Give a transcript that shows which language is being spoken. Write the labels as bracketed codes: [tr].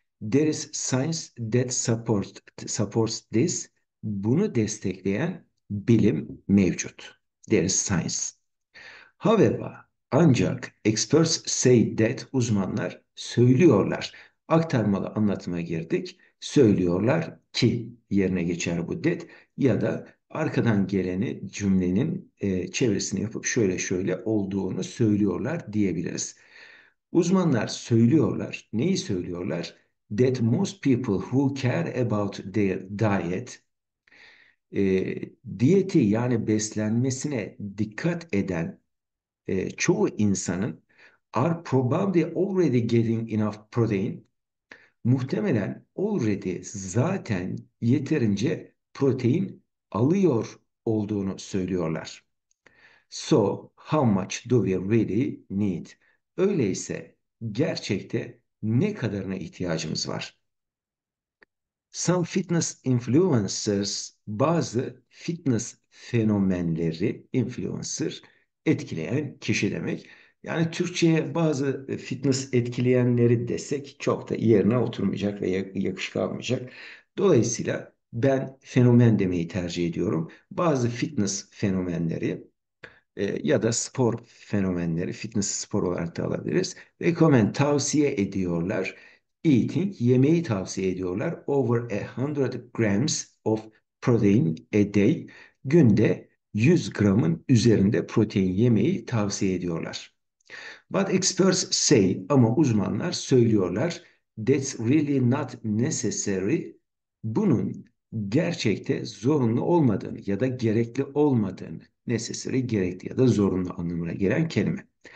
[en] There is science that supports this. [tr] Bunu destekleyen bilim mevcut. [en] There is science. However, [tr] ancak [en] experts say that, [tr] uzmanlar söylüyorlar. Aktarmalı anlatıma girdik. Söylüyorlar ki, yerine geçer bu that, ya da arkadan geleni cümlenin çevresini yapıp şöyle şöyle olduğunu söylüyorlar diyebiliriz. Uzmanlar söylüyorlar. Neyi söylüyorlar? [en] That most people who care about their diet, [tr] diyeti yani beslenmesine dikkat eden çoğu insanın [en] are probably already getting enough protein. [tr] Muhtemelen already zaten yeterince protein alıyor olduğunu söylüyorlar. [en] So how much do we really need? [tr] Öyleyse gerçekte ne kadarına ihtiyacımız var? [en] Some fitness influencers, [tr] bazı fitness fenomenleri, influencer etkileyen kişi demek. Yani Türkçe'ye bazı fitness etkileyenleri desek çok da yerine oturmayacak ve yakışık almayacak. Dolayısıyla ben fenomen demeyi tercih ediyorum. Bazı fitness fenomenleri ya da spor fenomenleri, fitness spor olarak da alabiliriz. [en] Recommend, [tr] tavsiye ediyorlar. Eating, yemeği tavsiye ediyorlar. [en] Over 100 grams of protein a day. [tr] Günde 100 gramın üzerinde protein yemeği tavsiye ediyorlar. [en] But experts say, [tr] ama uzmanlar söylüyorlar, [en] that's really not necessary. [tr] Bunun gerçekte zorunlu olmadığını ya da gerekli olmadığını, necessary gerekli ya da zorunlu anlamına gelen kelime.